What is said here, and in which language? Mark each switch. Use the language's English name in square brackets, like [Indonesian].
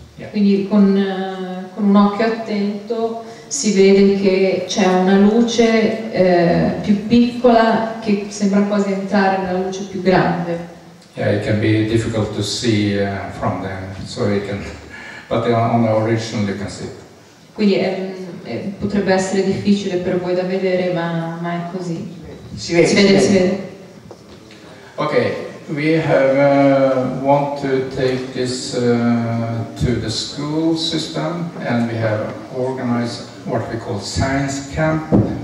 [Italian] Quindi con un occhio attento si vede che c'è una luce più piccola che sembra quasi entrare nella luce più grande. [English] Yeah, it can be difficult to see from there, so you can, but on the original you can see it. [Italian] Quindi potrebbe essere difficile per voi da vedere, ma è così. Si vede. [English] Okay. We have want to take this to the school system, and we have organized what we call science camp.